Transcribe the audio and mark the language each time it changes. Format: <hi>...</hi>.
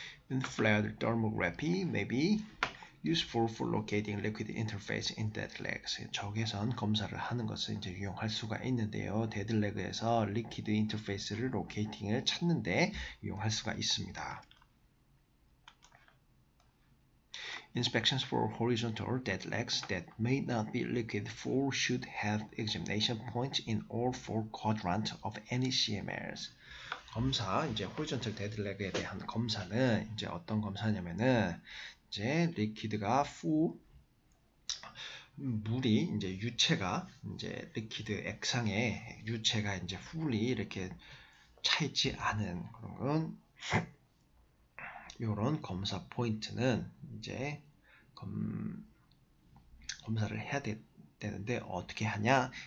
<en>인플레어드 더모그래피 may be useful for locating liquid interface in dead legs.</en> <ko>적외선 검사를 하는 것을 이제 이용할 수가 있는데요. 데드레그에서 리퀴드 인터페이스를 로케이팅을 찾는데 이용할 수가 있습니다.</ko> <en>Inspections for horizontal dead legs that may not be liquid full should have examination points in all four quadrants of any CMLs.</en> <ko>검사, 이제 호리전털 데드레그에 대한 검사는 이제 어떤 검사냐면은 이제 리퀴드가 full 물이 이제 유체가 이제 리퀴드 액상에 유체가 이제 fully 이렇게 차 있지 않은 그런 건 요런 검사 포인트는 이제 검사를 해야 되는데 어떻게 하냐?</ko>